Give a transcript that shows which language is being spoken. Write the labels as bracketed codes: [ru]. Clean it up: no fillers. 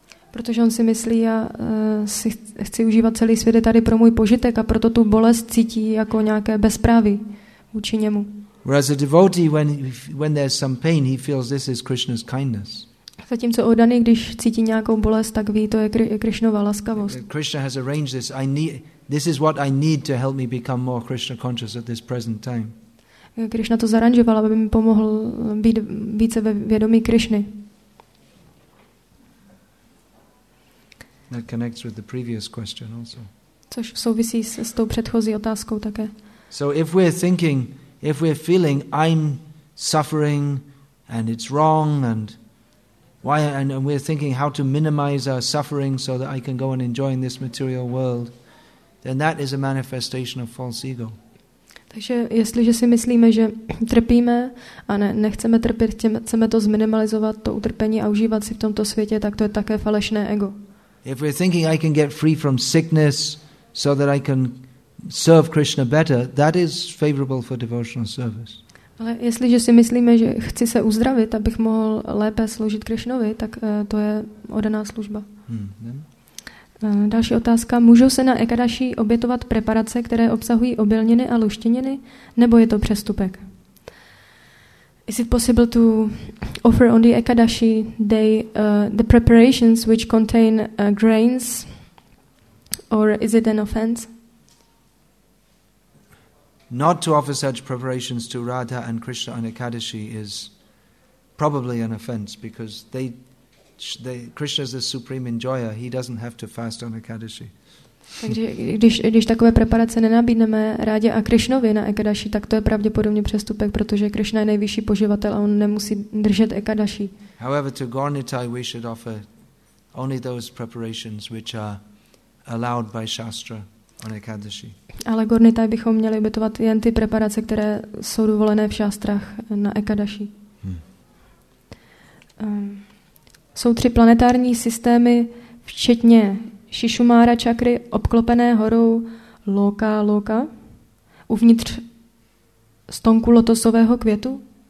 [cs] Protože on si myslí, já si chci užívat celý svět tady pro můj požitek a proto tu bolest cítí jako nějaké bezpráví vůči němu. [en] Whereas a devotee, when there's some pain, he feels this is Krishna's kindness. [cs] Zatímco oddaný, když cítí nějakou bolest, tak ví, to je Krishnova laskavost. [en] Krishna has arranged this. This is what I need to help me become more Krishna conscious at this present time. [cs] Krishna to zaranžoval, aby mi pomohl být více ve vědomí Krishny. [en] That connects with the previous question also. [cs] Což souvisí s tou předchozí otázkou také. [en] So if we're thinking, if we're feeling I'm suffering and it's wrong and why, and we're thinking how to minimize our suffering so that I can go on enjoying this material world, then that is a manifestation of false ego. [cs] Takže jestliže si myslíme, že trpíme a nechceme trpět, chceme to zminimalizovat, to utrpení a užívat si v tomto světě, tak to je také falešné ego. [en] If we're thinking I can get free from sickness so that I can serve Krishna better, that is favorable for devotional service. [cs] Ale jestliže si myslíme, že chci se uzdravit, abych mohl lépe sloužit Krishnovi, tak to je oddaná služba. Další otázka. Můžou se na Ekadaši obětovat preparace, které obsahují obilniny a luštěniny, nebo je to přestupek? [en] Is it possible to offer on the Ekadaši day the preparations which contain grains, or is it an offense? Not to offer such preparations to Radha and Krishna on Ekadashi is probably an offense because Krishna is the supreme enjoyer. He doesn't have to fast on Ekadashi. [cs] Takže když takové preparace nenabídneme Rádě a Krišnovi na Ekadaši, tak to je pravděpodobně přestupek, protože Krišna je nejvyšší poživatel a on nemusí držet Ekadaši. [en] However, to Gornitai we should offer only those preparations which are allowed by Shastra on Ekadaši. [cs] Ale Gornitai bychom měli obětovat jen ty preparace, které jsou dovolené v šástrách na Ekadaši. Jsou tři planetární systémy, včetně Šišumára čakry, obklopené horou Loka, uvnitř stonku lotosového květu.